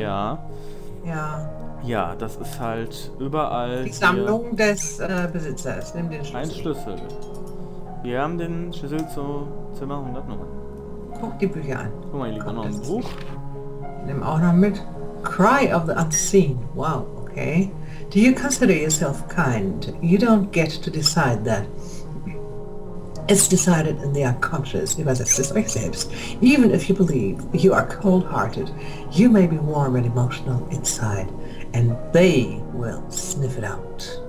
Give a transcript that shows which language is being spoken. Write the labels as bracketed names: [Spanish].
[German] Ja. Ja. Ja, das ist halt überall. Die Sammlung hier. Des Besitzers. Nimm den Schlüssel. Ein Schlüssel. Wir haben den Schlüssel zu Zimmer 109. Guck die Bücher an. Guck mal, hier liegt auch noch ein Buch. Nimm auch noch mit. Cry of the Unseen. Wow, okay. [English] Do you consider yourself kind? You don't get to decide that. It's decided in the unconscious, [German] übersetzt es euch selbst. [English] Even if you believe you are cold-hearted, you may be warm and emotional inside, and they will sniff it out.